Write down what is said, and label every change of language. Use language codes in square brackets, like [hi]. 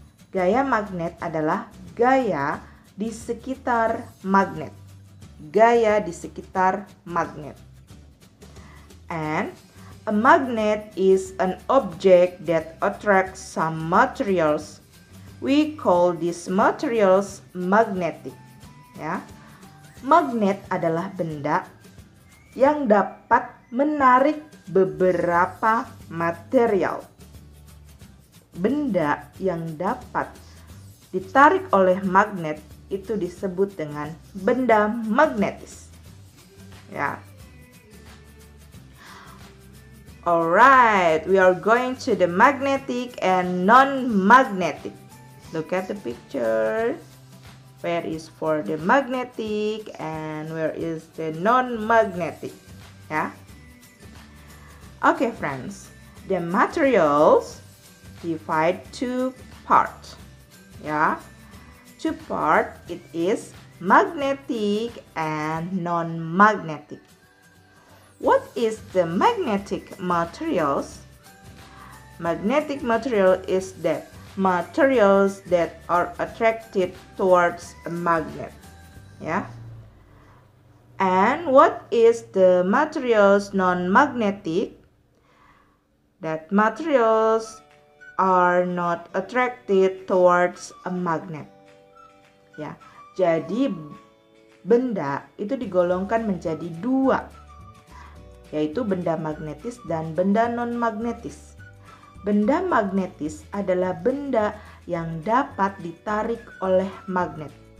[id] Gaya magnet adalah gaya di sekitar magnet. Gaya di sekitar magnet. [en] And a magnet is an object that attracts some materials. We call these materials magnetic. Ya. [id] Magnet adalah benda yang dapat menarik beberapa material. Benda yang dapat ditarik oleh magnet itu disebut dengan benda magnetis. Ya. [en] Alright, we are going to the magnetic and non-magnetic. Look at the picture. Where is for the magnetic and where is the non-magnetic? Ya. Okay, friends. The materials divide two parts. Yeah. Two part, it is magnetic and non-magnetic. What is the magnetic materials? Magnetic material is the materials that are attracted towards a magnet. Yeah. And what is the materials non-magnetic? That materials are not attracted towards a magnet. [id] Ya, jadi benda itu digolongkan menjadi dua, yaitu benda magnetis dan benda non-magnetis. Benda magnetis adalah benda yang dapat ditarik oleh magnet.